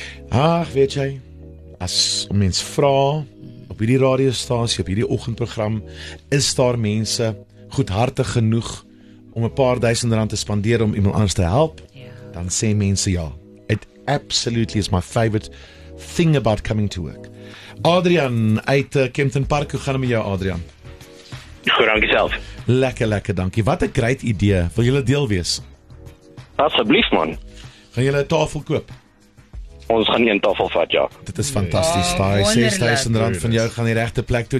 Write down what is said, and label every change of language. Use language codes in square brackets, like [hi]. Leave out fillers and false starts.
[af] Ah, weet jy, as mens vra, op hierdie radiostasie, op hierdie oggendprogram, is daar mense goedhartig genoeg om 'n paar duisend rand te spandeer om iemand anders te help, dan sê mense ja. [en] It absolutely is my favorite thing about coming to work. [af] Adrian uit Kempton Park, hoe gaan het met jou, Adrian? Goed, dankie self. Lekker, lekker, dankie. Wat 'n great idee. Wil julle deel wees? Asseblief, man. Gaan julle 'n tafel koop? Ons gaan nie een tafel vat, ja. Dit is fantastisch. Die 6,000 rand van jou gaan die rechte plek doen.